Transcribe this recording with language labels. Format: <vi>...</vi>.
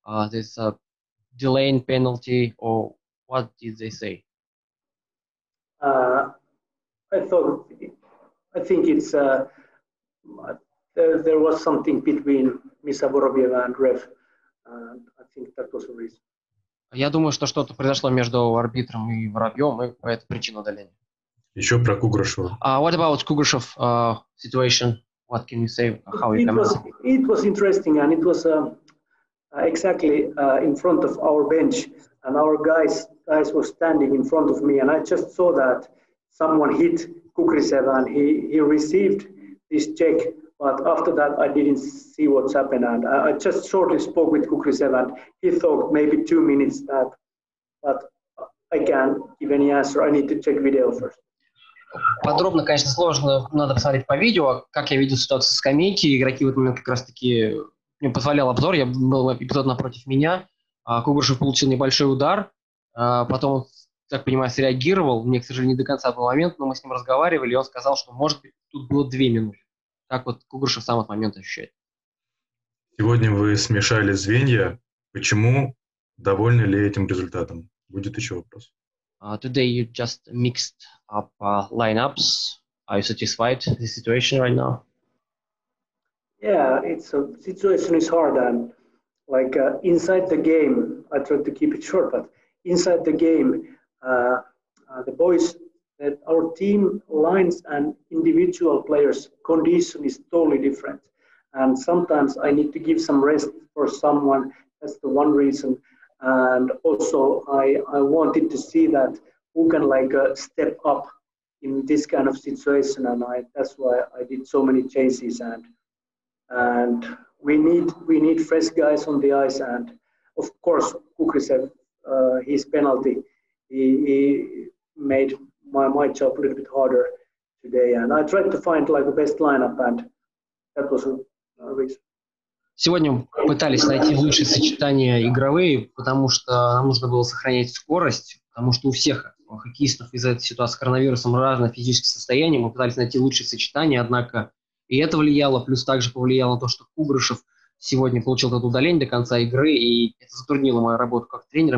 <en>This delaying penalty, or what did they say? I think it's there was something between Mr. Voroviev and ref. I think that was the reason.</en> <ru>Я думаю, что что-то произошло между арбитром и Воробьевым, и это причина удаления. Еще про Кугрышева.</ru> <en>What about Kugrushev situation? What can you say? How you comment? It was interesting, and it was exactly in front of our bench, and our guys were standing in front of me, and I just saw that someone hit Kugrishev, and he received this check. But after that, I didn't see what's happened, and I just shortly spoke with Kugrishev, and he thought maybe 2 minutes that, but I can't give any answer. I need to check video first.</en> <ru>Подробно, конечно, сложно, надо посмотреть по видео, как я видел ситуацию с скамейки, игроки в этот момент как раз-таки мне позволял обзор, я был эпизод напротив меня, Кугаршев получил небольшой удар, потом, так понимаю, среагировал, мне, к сожалению, не до конца был момент, но мы с ним разговаривали, и он сказал, что, может быть, тут было 2 минуты. Так вот Кугаршев сам этот момент ощущает. Сегодня вы смешали звенья, почему довольны ли этим результатом? Будет еще вопрос.</ru> <en>Today you just mixed up lineups. Are you satisfied with the situation right now? Yeah, situation is hard, and like inside the game, I tried to keep it short, but inside the game, the boys, that our team lines and individual players' condition is totally different. And sometimes I need to give some rest for someone. That's the one reason. And also I wanted to see that who can like step up in this kind of situation, and that's why I did so many changes, and we need fresh guys on the ice, and of course Kukrisev, his penalty, he made my job a little bit harder today, and I tried to find like the best lineup, and that was a reason.</en> <ru>Сегодня пытались найти лучшие сочетания игровые, потому что нам нужно было сохранять скорость, потому что у всех хоккеистов из-за этой ситуации с коронавирусом разное физическое состояние. Мы пытались найти лучшие сочетания, однако и это влияло, плюс также повлияло на то, что Кугрышев сегодня получил это удаление до конца игры, и это затруднило мою работу как тренера.</ru>